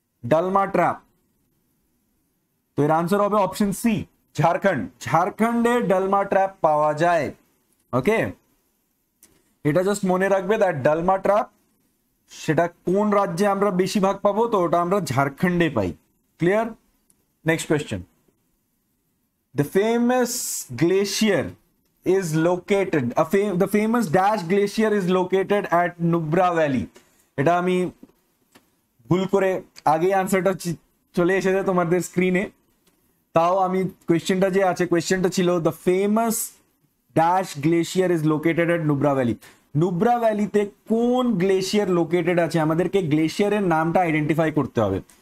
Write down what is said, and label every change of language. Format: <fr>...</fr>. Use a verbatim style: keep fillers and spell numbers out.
<bn>Dalma trap, তো এর answer হবে অপশন সি ঝাড়খণ্ড। ঝাড়খণ্ডে ডালমা ট্র্যাপ পাওয়া যায়। ওকে, এটা জাস্ট মনে রাখবে দ্যাট ডালমা ট্র্যাপ সেটা কোন রাজ্যে আমরা বেশি ভাগ পাবো, তো ওটা আমরা ঝাড়খণ্ডে পাই। Clear? Next question.</bn> <en>The famous glacier is located, a fam- the famous dash glacier is located at Nubra Valley.</en> <bn>এটা আমি ভুল করে আগে আনসারটা চলে এসেছে তোমাদের স্ক্রিনে, তাও আমি কোয়েশ্চেনটা যে আছে কোয়েশ্চেনটা ছিল</bn> <en>The famous dash glacier is located at Nubra valley.</en> <bn>Nubra ভ্যালিতে কোন গ্লেশিয়ার লোকেটেড আছে? আমাদেরকে গ্লেশিয়ারের নামটা আইডেন্টিফাই করতে হবে।</bn>